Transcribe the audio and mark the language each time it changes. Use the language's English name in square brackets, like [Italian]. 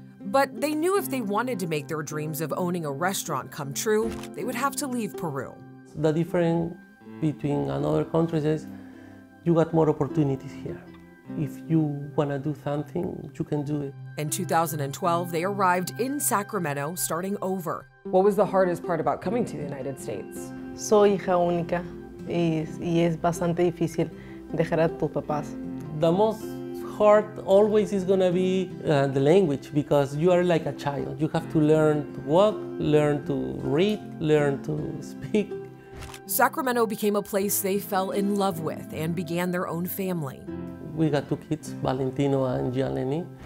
[English] But they knew if they wanted to make their dreams of owning a restaurant come true, they would have to leave Peru. The difference between another country is you got more opportunities here. If you want to do something, you can do it. In 2012, they arrived in Sacramento, starting over. What was the hardest part about coming to the United States? [Spanish] Soy hija única, y es bastante difícil dejar a tus papás. [English] The most hard always is going to be the language, because you are like a child. You have to learn to walk, learn to read, learn to speak. Sacramento became a place they fell in love with and began their own family. We got two kids, Valentino and Gianni.